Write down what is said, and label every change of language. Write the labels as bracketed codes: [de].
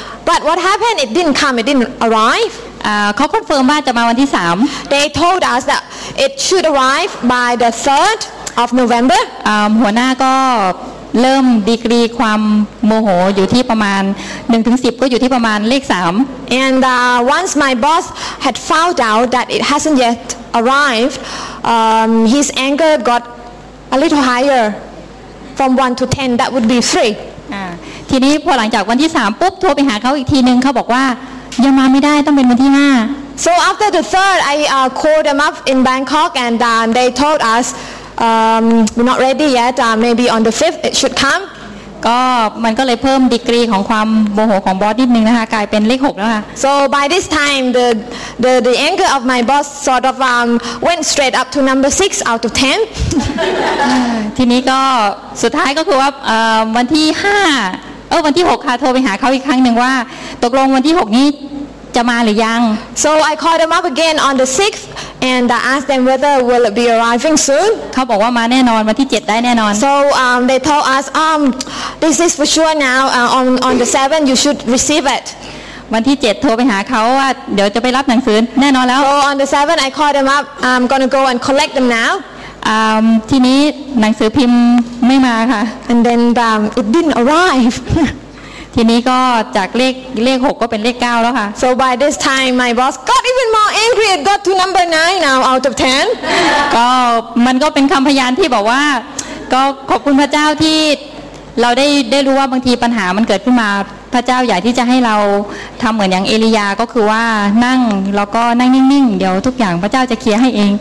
[en] But what happened it didn't come it didn't arrive [th] เขาคอนเฟิร์มว่าจะมาวันที่3 [en] They told us that it should arrive by the 3rd of November [th] หัวหน้าก็เริ่มดีกรีความโมโหอยู่ที่ประมาณ 1-10 ก็อยู่ที่ประมาณเลข3 [en] And once my boss had found out that it hasn't yet arrived his anger got a little higher from 1-10 that would be 3 [th] ทีนี้พอหลังจากวันที่3ปุ๊บโทรไปหาเขาอีกทีนึงเขาบอกว่ายังมาไม่ได้ต้องเป็นวันที่5 [en] So after the third I called them up in Bangkok and they told us we're not ready yet maybe on the 5th it should come [th] ก็มันก็เลยเพิ่มดีกรีของความโมโหของบอสนิดนึงนะคะกลายเป็นเลข6แล้วค่ะ [en] So by this time the anger of my boss sort of went straight up to number 6 out of 10 [th] ทีนี้ก็สุดท้ายก็คือว่าวันที่5วันที่6ค่ะโทรไปหาเขาอีกครั้งหนึ่งว่าตกลงวันที่6นี้จะมาหรือยัง [en] So I called them up again on the 6th and I asked them whether will it be arriving soon [th] เขาบอกว่ามาแน่นอนวันที่7ได้แน่นอน [en] So they told us this is for sure now on the 7th you should receive it [th] วันที่7โทรไปหาเขาว่าเดี๋ยวจะไปรับหนังสือแน่นอนแล้ว [en] So on the 7th I called them up I'm gonna go and collect them now [th] ทีนี้หนังสือพิมพ์ไม่มาค่ะ [en] and then it didn't arrive [th] ทีนี้ก็จากเลข6ก็เป็นเลข9แล้วค่ะ [en] so by this time my boss got even more angry and got to number 9 now out of 10 [th] ก็มันก็เป็นคำพยานที่บอกว่าก็ขอบคุณพระเจ้าที่เราได้รู้ว่าบางทีปัญหามันเกิดขึ้นมาพระเจ้าอยากที่จะให้เราทำเหมือนอย่างเอลียาก็คือว่านั่งแล้วก็นั่งนิ่งๆเดี๋ยวทุกอย่างพระเจ้าจะเคลียร์ให้เอง